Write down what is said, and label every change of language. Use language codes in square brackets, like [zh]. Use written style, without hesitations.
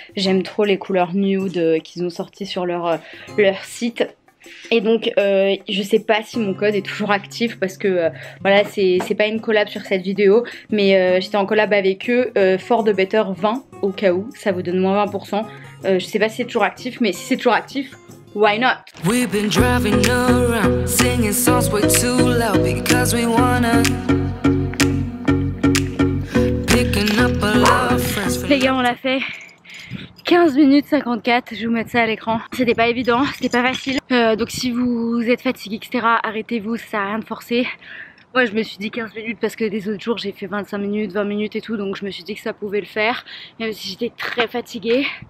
[fr] J'aime trop les couleurs nude qu'ils ont sorties sur leur site. Et donc je sais pas si mon code est toujours actif parce que voilà, c'est pas une collab sur cette vidéo, mais j'étais en collab avec eux, For the Better 20, au cas où, ça vous donne moins 20%. Je sais pas si c'est toujours actif, mais si c'est toujours actif, [en] why not? We've been driving around, singing songs way too loud because we wanna. Picking up a lot of friends. [fr] Les gars, on l'a fait. 15 minutes 54, je vais vous mettre ça à l'écran. C'était pas évident, c'était pas facile. Donc si vous êtes fatigué, etc., arrêtez-vous, ça a rien de forcé. Moi je me suis dit 15 minutes parce que des autres jours j'ai fait 25 minutes, 20 minutes et tout. Donc je me suis dit que ça pouvait le faire. Même si j'étais très fatiguée.